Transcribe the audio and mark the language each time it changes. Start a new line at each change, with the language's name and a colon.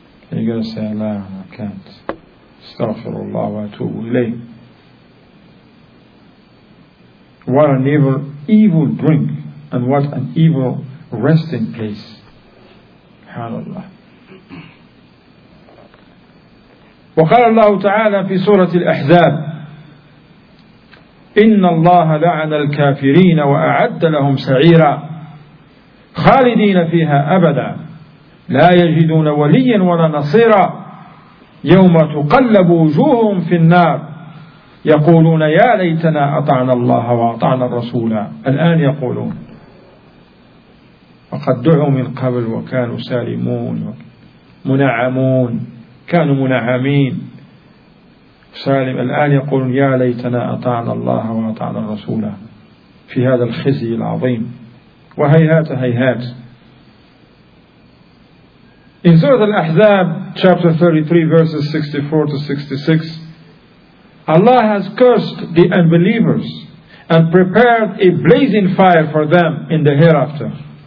English: You're going to say, Allah, I can't. Astaghfirullah wa atubu ilayh. What an evil, evil drink, and what an evil resting place.
Arabic: Subhanallah. وقال الله تعالى في سورة الأحزاب إن الله لعن الكافرين وأعد لهم سعيرا خالدين فيها أبدا لا يجدون وليا ولا نصيرا يوم تقلب وجوههم في النار يقولون يا ليتنا أطعنا الله وأطعنا الرسولا الآن يقولون وقد دعوا من قبل وكانوا سالمون منعمون كانوا منعمين سالم الآن يقولون يا ليتنا أطعنا الله وأطعنا الرسول في هذا الخزي العظيم وهيهات هيهات.
English: In Surah Al-Ahzab, chapter 33, verses 64 to 66, Allah has cursed the unbelievers and prepared a blazing fire for them in the hereafter.